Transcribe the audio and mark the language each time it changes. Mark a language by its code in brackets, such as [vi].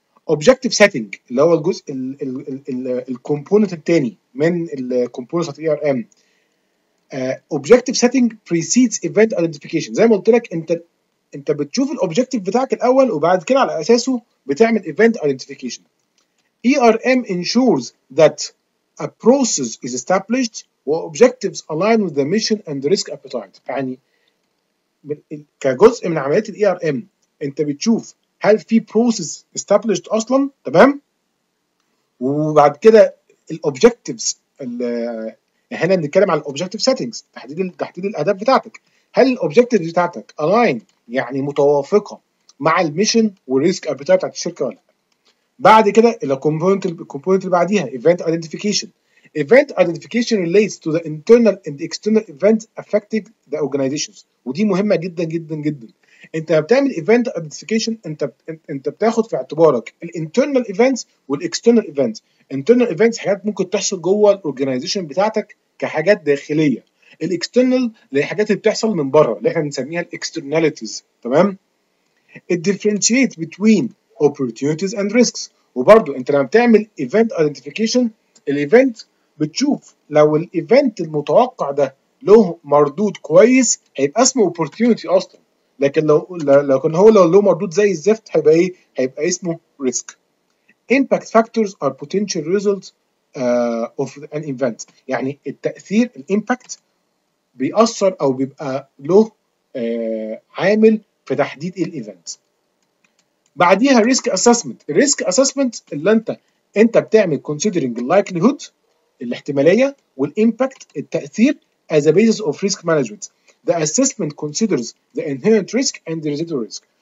[ar] Objective setting اللي هو الجزء الكومبوننت الثاني من الكومبوننت بتاع ERM. [en] Objective setting precedes event identification، [ar] زي ما قلت لك انت بتشوف الاوبجكتيف بتاعك الاول وبعد كده على اساسه بتعمل event identification. [en] ERM ensures that a process is established where objectives align with the mission and the risk appetite. [ar] يعني كجزء من عمليات ال ERM انت بتشوف هل في process established اصلا، تمام، وبعد كده الobjectives هنا بنتكلم على الobjective settings، تحديد الاهداف بتاعتك، هل الobjectives بتاعتك align يعني متوافقه مع المشن والريسك ابيتايت بتاعت الشركه ولا. بعد كده الكومبوننت اللي بعديها event identification. [en] Event identification relates to the internal and external events affecting the organizations، [ar] ودي مهمه جدا جدا جدا. انت بتعمل event identification، انت بتاخد في اعتبارك الانترنال ايفنتس والاكسترنال ايفنتس. انترنال ايفنتس حاجات ممكن تحصل جوه الاورجنايزيشن بتاعتك كحاجات داخليه، الاكسترنال اللي حاجات بتحصل من بره اللي احنا بنسميها الاكسترناليتيز، تمام. الديفرنشيت بتوين اوبورتيونيتيز اند ريسكس، وبرده انت لما بتعمل event identification الايفنت بتشوف لو الايفنت المتوقع ده له مردود كويس هيبقى اسمه اوبورتيونيتي اصلا، لكن لو له مردود زي الزفت هيبقى ايه؟ هيبقى اسمه ريسك. [en] Impact factors are potential results of an event. [ar] يعني التأثير الإمباكت بيأثر أو بيبقى له عامل في تحديد الإيفنت. بعديها Risk Assessment. Risk Assessment اللي أنت بتعمل considering likelihood الاحتمالية والإمباكت التأثير [en] as a basis of risk management. The assessment considers the inherent risk and the residual risk.